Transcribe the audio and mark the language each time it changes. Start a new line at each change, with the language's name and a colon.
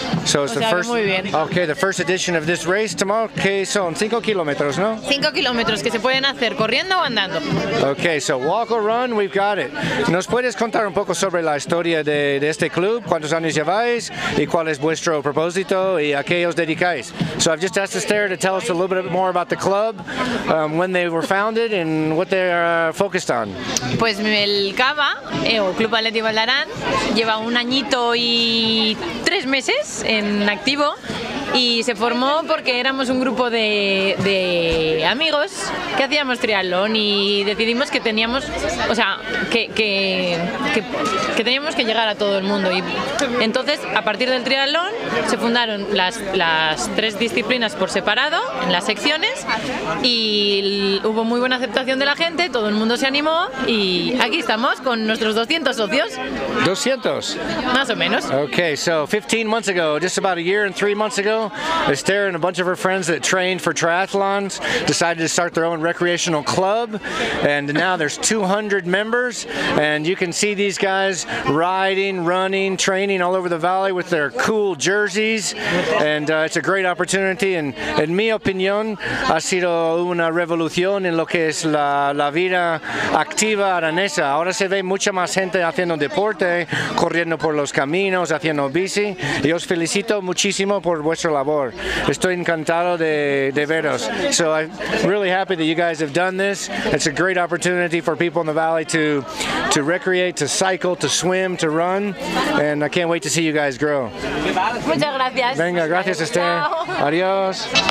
English: So it's
Spanish: o sea,
English: the first,
Spanish: muy bien.
English: Okay, the first edition of this race tomorrow,
Spanish: que son 5 kilómetros, ¿no? 5 kilómetros, que se pueden hacer corriendo o andando.
English: Okay, so walk or run, we've got it.
Spanish: ¿Nos puedes contar un poco sobre la historia de este club? ¿Cuántos años lleváis? ¿Y cuál es vuestro propósito? ¿Y a qué os dedicáis?
English: So I've just asked Esther to tell us a little bit more about the club, when they were founded and what they are focused on.
Spanish: Pues el CAVA, o Club Atlético Vald'aran, lleva un añito y 3 meses en activo y se formó porque éramos un grupo de amigos que hacíamos triatlón y decidimos que teníamos, o sea, que teníamos que llegar a todo el mundo y entonces a partir del triatlón se fundaron las tres disciplinas por separado en las secciones y hubo muy buena aceptación de la gente, todo el mundo se animó y aquí estamos con nuestros 200 socios. 200 más o menos.
English: Okay, so 15 months ago, just about a year and 3 months ago, Esther and a bunch of her friends that trained for triathlons decided to start their own recreational club, and now there's 200 members, and you can see these guys riding, running, training all over the valley with their cool jerseys, and it's a great opportunity, and
Spanish: en mi opinión ha sido una revolución en lo que es la vida activa aranesa. Ahora se ve mucha más gente haciendo deporte, corriendo por los caminos, haciendo bici, y os felicito muchísimo por vuestro labor. Estoy encantado de veros.
English: So I'm really happy that you guys have done this. It's a great opportunity for people in the valley to recreate, to cycle, to swim, to run, and I can't wait to see you guys grow.
Spanish: Muchas gracias. Venga, gracias, Esther. Adiós.